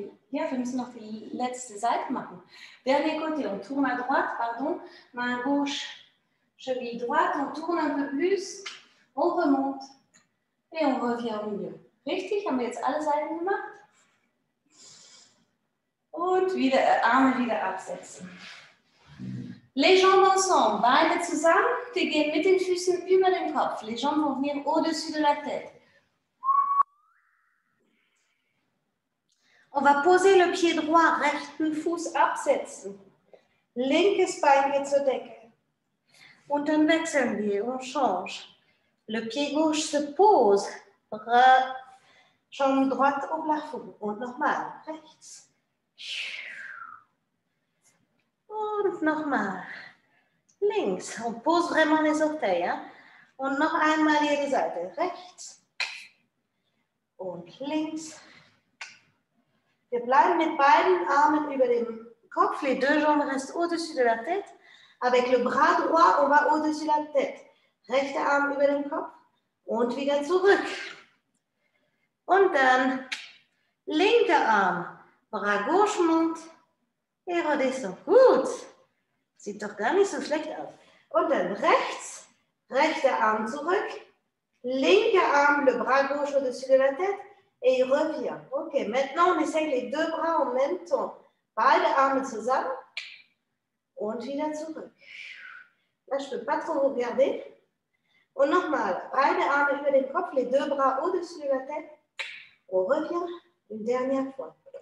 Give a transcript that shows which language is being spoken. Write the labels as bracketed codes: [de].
[de] Wir müssen noch die letzte Seite machen. [fr] Dernier côté, on tourne à droite, pardon. Main gauche, cheville droite. On tourne un peu plus. On remonte et on revient au milieu. [de] Richtig? Haben wir jetzt alle Seiten gemacht? Und wieder, Arme wieder absetzen. [fr] Les jambes ensemble, [de] Beine zusammen. Wir gehen mit den Füßen über den Kopf. [fr] Les jambes vont venir au-dessus de la tête. On va poser le pied droit, [de] rechten Fuß absetzen. Linkes Bein geht zur Decke. Und dann wechseln wir, [fr] on change. Le pied gauche se pose. Jambe droite au plafond. [de] Und nochmal, rechts. Und nochmal. Links. [fr] On pose vraiment les orteils. Hein? [de] Und noch einmal jede Seite. Rechts. Und links. Wir bleiben mit beiden Armen über dem Kopf. [fr] Les deux jambes restent au-dessus de la tête. Avec le bras droit, on va au-dessus de la tête. [de] Rechter Arm über dem Kopf. Und wieder zurück. Und dann linker Arm. [fr] Bras gauche monte et redescend. [de] Gut. Sieht doch gar nicht so schlecht aus. Und dann rechts, rechter Arm zurück, linker Arm, [fr] le bras gauche au-dessus de la tête et il revient. Okay, maintenant on essaye les deux bras en même temps. [de] Beide Arme zusammen und wieder zurück. [fr] Là, je ne peux pas trop vous regarder. [de] Und nochmal, beide Arme über den Kopf, [fr] les deux bras au-dessus de la tête. On revient une dernière fois.